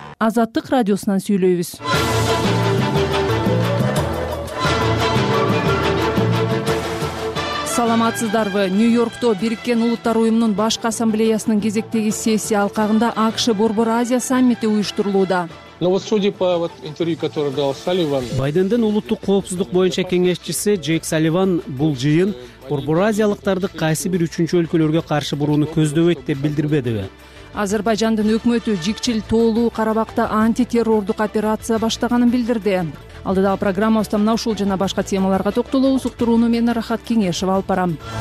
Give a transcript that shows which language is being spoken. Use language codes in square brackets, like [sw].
[ky] Азаттык радиосунан сүйлөйбүз. Саламатсыздарбы. Нью-Йоркто Бириккен Улуттар Уюмунун Башкы Ассамблеясынын кезектеги сессия алкагында АКШ Борбор Азия саммити уюштурулууда. [ru] Но вот судя по вот интервью, которое дал Салливан. [ky] Байдендин улуттук коопсуздук боюнча кеңешчиси Джейк Салливан бул жыйын Борбор Азиялыктарды кайсы бир үчүнчү өлкөлөргө каршы бурууну көздөбөйт деп билдирбедиби? Азербайжандын өкмөтү Жикчил Тоолуу Карабакта антитеррордук операция баштаганын билдирди. Алдыдагы программабызда мына ушул жана башка темаларга токтолобуз. Уктурууну мен Рахат Кеңешова алып барам.